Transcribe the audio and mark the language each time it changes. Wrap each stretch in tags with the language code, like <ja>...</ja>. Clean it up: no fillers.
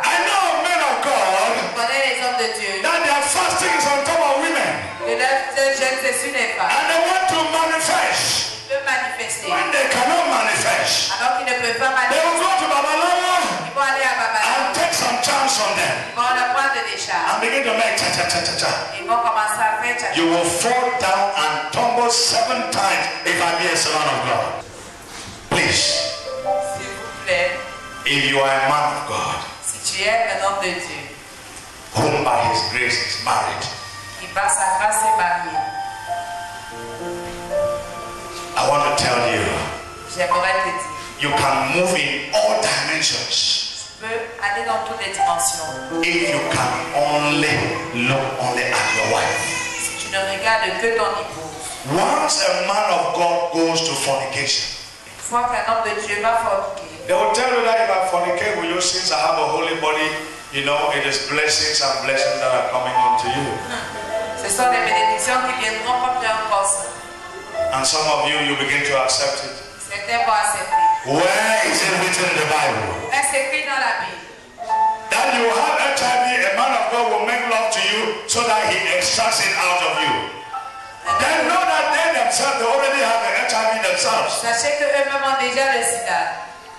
<en>I know men of God that their fasting is on top of women. And they want to manifest. When they cannot manifest,</en> <fr>alors qu'ils ne peuvent pas manifester,</fr> <en>they will go to Babylon.</en> <fr>Ils vont aller à Babylon</fr> <en>and take some charms from them.</en> <fr>Ils vont leur prendre des charms.</fr> <en>And begin to make cha-cha-cha-cha-cha.</en> <fr>Ils vont commencer à faire cha-cha-cha.</fr> <en>You will fall down and tumble 7 times if I be a servant of God. Please.</en> <fr>S'il vous plaît.</fr> <en>If you are a man of God,</en> <fr>si tu es un homme de Dieu,</fr> <en>whom by his grace is married,</en> <fr>qui par sa grâce est marié,</fr> <en>I want to tell you,</en> <fr>j'aimerais te dire,</fr> <en>you can move in all dimensions.</en> <fr>Tu peux aller dans toutes les dimensions.</fr> <en>If you can only look only at your wife.</en> <fr>Si tu ne regardes que ton épouse.</fr> <en>Once a man of God goes to fornication,</en> <fr>une fois qu'un homme de Dieu va forniquer,</fr> <en>they will tell you that if I fornicate with you, since I have a holy body, You know, it is blessings and blessings that are coming unto you.</en> <fr>Ce sont des bénédictions qui viendront comme une force.</fr> <en>And some of you, you begin to accept it.</en> <fr>Certains vont accepter.</fr> <en>Where is it written in the Bible?</en> <fr>Est-ce écrit dans la Bible?</fr> <en>That you have HIV, a man of God will make love to you so that he extracts it out of you. They know that they themselves, they already have the HIV themselves.</en> <fr>Sachez que eux-mêmes ont déjà le sida.</fr>